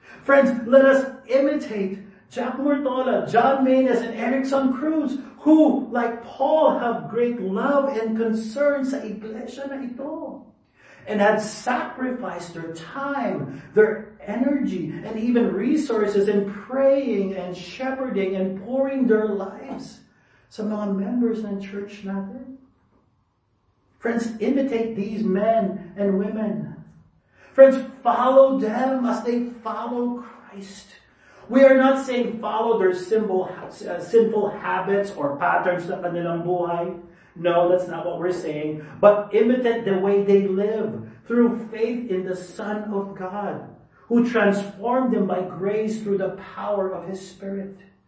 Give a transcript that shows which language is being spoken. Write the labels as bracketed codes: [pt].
[en] Friends, let us imitate Jack Mortola, John Maynes, and Erickson Cruz, who, like Paul, have great love and concern [tl] sa iglesia na ito. [en] And had sacrificed their time, their energy, and even resources in praying and shepherding and pouring their lives [tl] sa mga members ng church natin. [en] Friends, imitate these men and women. Friends, follow them as they follow Christ. We are not saying follow their sinful habits or patterns [tl] sa kanilang buhay. [en] No, that's not what we're saying. But imitate the way they live through faith in the Son of God, who transformed them by grace through the power of His Spirit.